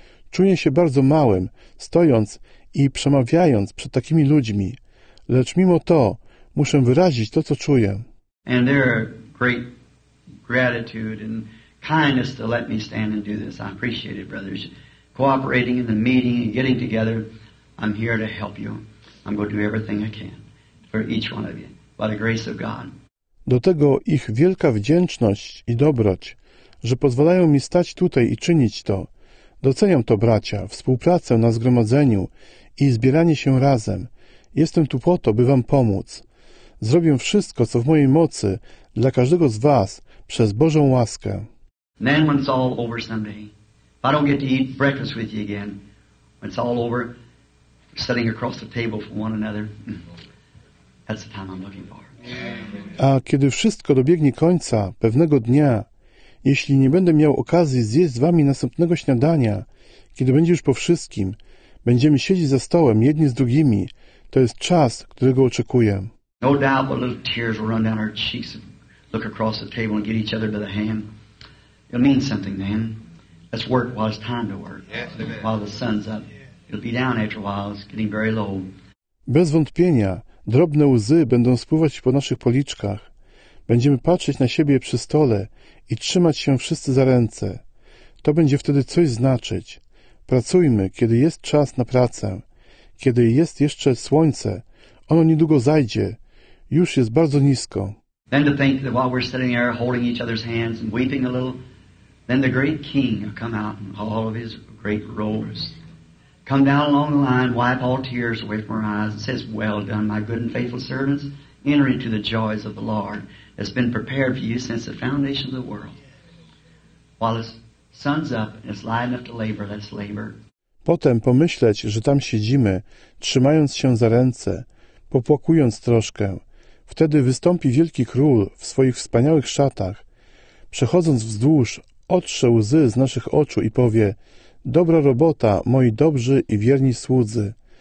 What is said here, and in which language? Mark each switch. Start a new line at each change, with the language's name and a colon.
Polish: Czuję się bardzo małym, stojąc i przemawiając przed takimi ludźmi. Lecz mimo to, Muszę wyrazić to, co czuję.
English: And their great gratitude and kindness to let me stand and do this. I appreciate it, brothers. Cooperating in the meeting and getting together. I'm here to help you. I'm going to do everything I can for each one of you. By the grace of God.
Polish: Do tego ich wielka wdzięczność i dobroć, że pozwalają mi stać tutaj i czynić to. Doceniam to, bracia, współpracę na zgromadzeniu i zbieranie się razem. Jestem tu po to, by wam pomóc. Zrobię wszystko, co w mojej mocy, dla każdego z was, przez Bożą łaskę.
English: Then when it's all over someday, if I don't get to eat breakfast with you again, when it's all over, sitting across the table from one another, that's the time I'm looking for.
Polish: A kiedy wszystko dobiegnie końca, pewnego dnia, jeśli nie będę miał okazji zjeść z wami następnego śniadania, kiedy będzie już po wszystkim, będziemy siedzieć za stołem jedni z drugimi, to jest czas, którego oczekuję.
English: No doubt but little tears will run down our cheeks and look across the table and get each other by the hand. It'll mean something then. Let's work while it's time to work. Yes, while the sun's up. It'll be down after a while. It's getting very low.
Polish: Bez wątpienia, drobne łzy będą spływać po naszych policzkach. Będziemy patrzeć na siebie przy stole i trzymać się wszyscy za ręce. To będzie wtedy coś znaczyć. Pracujmy, kiedy jest czas na pracę. Kiedy jest jeszcze słońce, ono niedługo zajdzie. Już jest bardzo nisko.
English: Then to think that while we're sitting there holding each other's hands and weeping a little, then the great king will come out in all of his great robes. Come down along the line, wipe all tears away from our eyes, and says, well done, my good and faithful servants. Enter into the joys of the Lord that's been prepared for you since the foundation of the world. While the sun's up and it's light enough to labor, let's labor.
Polish: Potem pomyśleć, że tam siedzimy, trzymając się za ręce, popłakując troszkę. Wtedy wystąpi wielki król w swoich wspaniałych szatach. Przechodząc wzdłuż, otrze łzy z naszych oczu i powie: dobra robota, moi dobrzy i wierni słudzy.